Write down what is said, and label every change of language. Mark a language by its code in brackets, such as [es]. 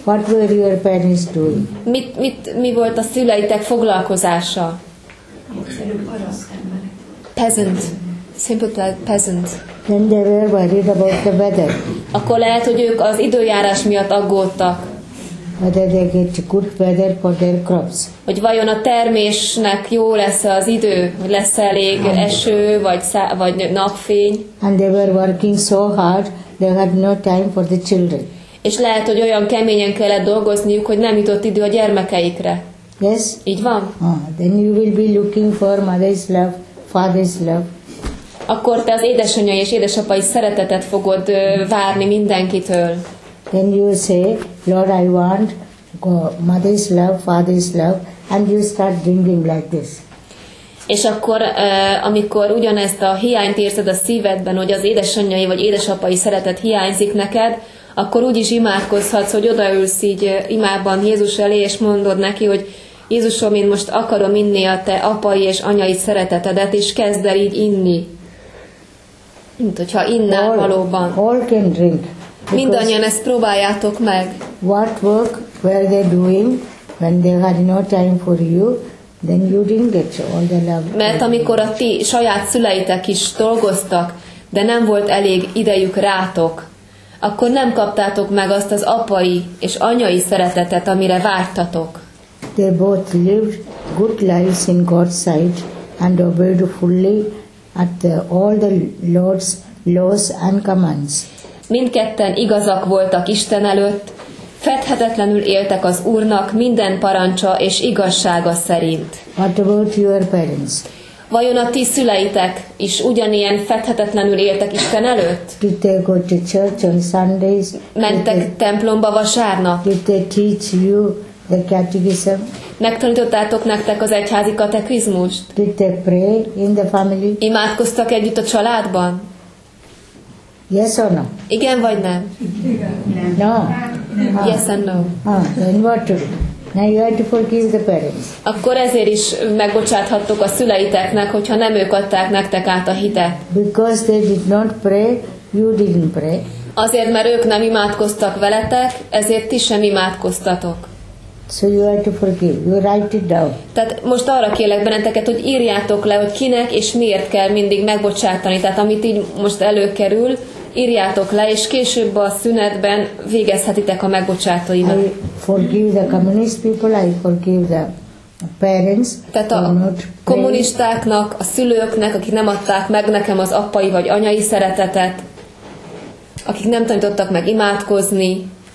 [en] What were your parents doing? [hu] Mi volt a szüleitek foglalkozása? Parasztember. [en] Peasant. Simple peasant. Then they were worried about the weather. [hu] Akkor lehet, hogy ők az időjárás miatt aggódtak. [en] Whether they get good weather for their crops. [hu] Hogy vajon a termésnek jó lesz az idő, lesz elég eső vagy vagy napfény. [en] And they were working so hard, they had no time for the children. [hu] És lehet, hogy olyan keményen kellett dolgozniuk, hogy nem jutott idő a gyermekeikre. [en] Yes. [hu] Így van. [en] Then you will be looking for mother's love, father's love. [hu] Akkor te az édesanyai és édesapai szeretetet fogod várni mindenkitől. [en] Then you say, Lord, I want mother's love, father's love, and you start drinking like this. [hu] És akkor, amikor ugyanezt a hiányt érzed a szívedben, hogy az édesanyai vagy édesapai szeretet hiányzik neked, akkor úgy is imádkozhatsz, hogy odaülsz így imában Jézus elé, és mondod neki, hogy Jézusom, én most akarom inni a te apai és anyai szeretetedet, és kezd el így inni. Mint hogyha innál [en] all, [hu] valóban. [en] All can drink. [hu] Mindannyian ezt próbáljátok meg. [en] What work were they doing when they had no time for you? Then you didn't get all the love. [hu] Mert amikor a ti saját szüleitek is dolgoztak, de nem volt elég idejük rátok, akkor nem kaptátok meg azt az apai és anyai szeretetet, amire vártatok. [en] They both lived good lives in God's sight and obeyed fully at all the Lord's laws and commands. [hu] Mindketten igazak voltak Isten előtt, fedhetetlenül éltek az Úrnak minden parancsa és igazsága szerint. [en] What about your parents? [hu] Vajon a ti szüleitek is ugyanilyen fedhetetlenül éltek Isten előtt? [en] Did they go to church on Sundays? [hu] Mentek templomba vasárnap? [en] Did they teach you the catechism? [hu] Megtanítottátok nektek az egyházi katekizmust? [en] Did they pray in the family? [hu] Imádkoztak együtt a családban? [en] Yes or no? [hu] Igen vagy nem? [en] No. Yes and no. Then what to do? Now you have to forgive the parents. [hu] Akkor ezért is megbocsáthattok a szüleiteknek, hogyha nem ők adták nektek át a hitet. [en] Because they did not pray, you didn't pray. [hu] Azért, mert ők nem imádkoztak veletek, ezért ti sem imádkoztatok. [en] So you have to forgive. You write it down. [hu] Tehát most arra kérlek benneteket, hogy írjátok le, hogy kinek és miért kell mindig megbocsátani. Tehát amit így most előkerül, írjátok le, és később a szünetben végezhetitek a megbocsátóimat. [en] I forgive the communist people, I forgive the parents. [hu] Tehát a kommunistáknak, a szülőknek, akik nem adták meg nekem az apai vagy anyai szeretetet, akik nem tanítottak meg imádkozni.